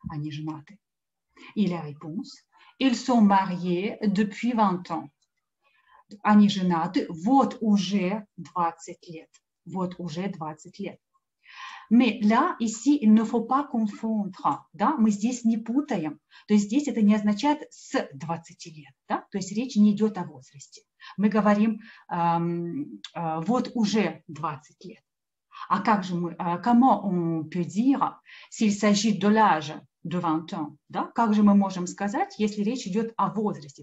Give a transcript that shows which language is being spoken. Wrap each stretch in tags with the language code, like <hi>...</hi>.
<ru>Они женаты.</ru> <fr>Et la réponse, ils sont mariés depuis 20 ans.</fr> <ru>Они женаты вот уже 20 лет. Вот уже 20 лет.</ru> <fr>Mais là, ici, il ne faut pas confondre.</fr> <ru>Да? Мы здесь не путаем. То есть здесь это не означает с 20 лет. Да? То есть речь не идет о возрасте. Мы говорим вот уже 20 лет.</ru> <fr>Comment on peut dire s'il s'agit de l'âge de 20 ans,</fr> <ru>да? Как же мы можем сказать, если речь идет о возрасте?</ru>